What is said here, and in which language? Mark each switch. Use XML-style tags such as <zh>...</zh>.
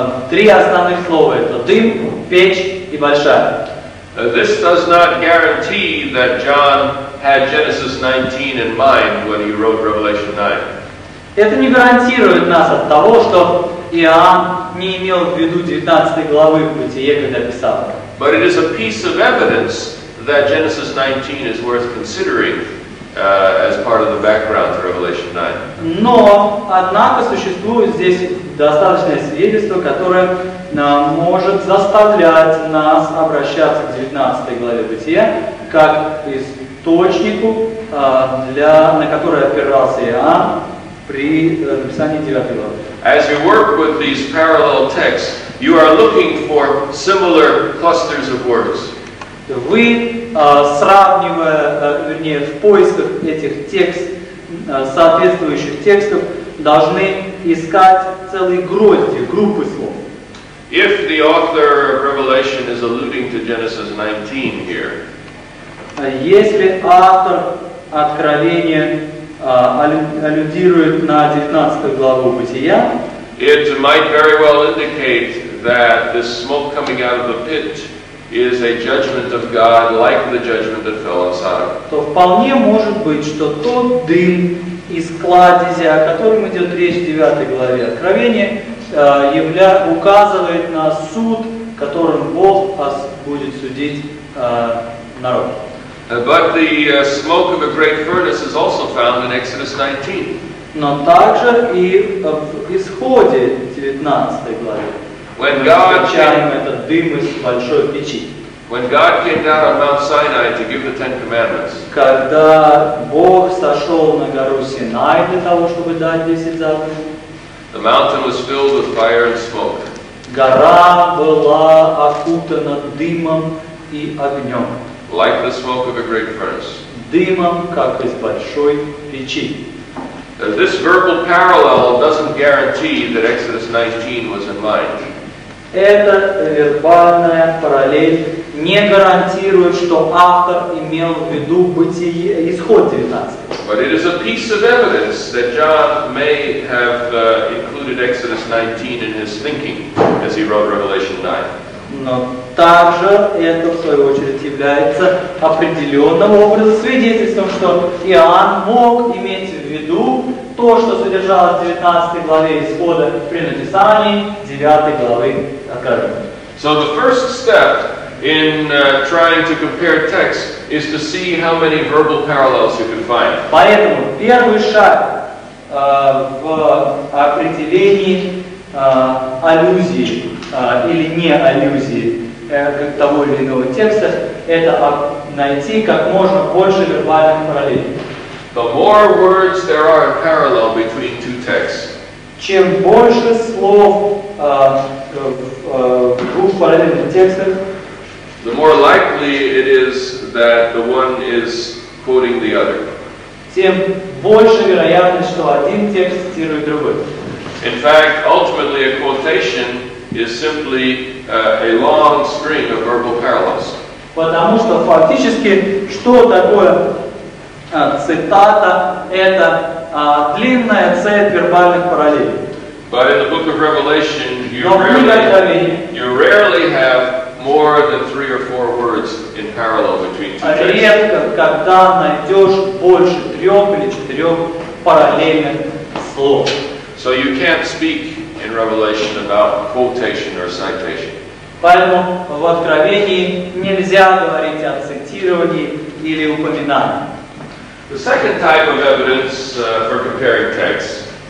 <ru>Три основных слова — это дым, печь и большая.</ru> <en>This does not guarantee that John had Genesis 19 in mind when he wrote Revelation 9.</en> <ru>Это не гарантирует нас от того, что Иоанн не имел в виду 19 главы в Бытие, когда писал.</ru> <en>But it is a piece of evidence that Genesis 19 is worth considering as part of the background to Revelation 9.</en> <ru>Но, однако, существует здесь достаточное свидетельство, которое может заставлять нас обращаться к 19 главе Бытия как источнику, на который опирался Иоанн при написании 9 главы.</ru> <en>As you work with these parallel texts, you are looking for similar clusters of words.</en> <ru>Вы, сравнивая, вернее, в поисках этих текстов, соответствующих текстов, должны искать целые грозди, группы слов.</ru> <en>If the author of Revelation is alluding to Genesis 19 here,</en> <ru>если автор Откровения аллюдирует на 19 главу Бытия,</ru> <en>it might very well indicate that the smoke coming out of the pit is a judgment of God like the judgment that fell on Sodom.</en> <ru>То вполне может быть, что тот дым из кладези, о котором идет речь в 9 главе Откровения, указывает на суд, которым Бог будет судить народ.</ru> <en>But the smoke of a great furnace is also found in Exodus 19.</en> <ru>Но также и в исходе 19 главе.</ru> <en>When God came,</en> <ru>этот дым из большой печи.</ru> <en>When God came down on Mount Sinai to give the Ten Commandments.</en> <ru>Когда Бог сошел на гору Синай для того, чтобы дать 10 заповедей.</ru> <en>The mountain was filled with fire and smoke.</en> <ru>Гора была окутана дымом и огнем.</ru> <en>Like the smoke of a great furnace.</en> <ru>Дымом, как из большой печи.</ru> <en>This verbal parallel doesn't guarantee that Exodus 19 was in mind.</en> <ru>Эта вербальная параллель не гарантирует, что автор имел в виду Бытие, исход 19.</ru> <en>But it is a piece of evidence that John may have included Exodus 19 in his thinking as he wrote Revelation 9.</en> <ru>Но также это, в свою очередь, является определенным образом свидетельством, что Иоанн мог иметь в виду то, что содержалось в 19 главе Исхода при написании 9 главы Откровения.</ru> <en>So the first step in trying to compare texts is to see how many verbal parallels you can find.</en> <ru>Поэтому первый шаг в определении аллюзии или не аллюзии как того или иного текста, это найти как можно больше вербальных параллелей.</ru> <en>The more words there are in parallel between two texts,</en> <ru>чем больше слов в двух параллельных текстах,</ru> <en>the more likely it is that the one is quoting the other.</en> <ru>Тем больше вероятность, что один текст цитирует другой.</ru> <en>In fact, ultimately a quotation is simply a long string of verbal parallels.</en> <ru>Потому что фактически, что такое цитата, это длинная цепь вербальных параллелей.</ru> <en>But in the book of Revelation, you rarely have more than three or four words in parallel between two texts.</en> <ru>Редко, когда найдешь больше трех или четырех параллельных слов.</ru> <en>So you can't speak in Revelation about quotation or citation.</en> <ru>Поэтому в Откровении нельзя говорить о цитировании или упоминании.</ru> <en>The second type of evidence for comparing texts.</en>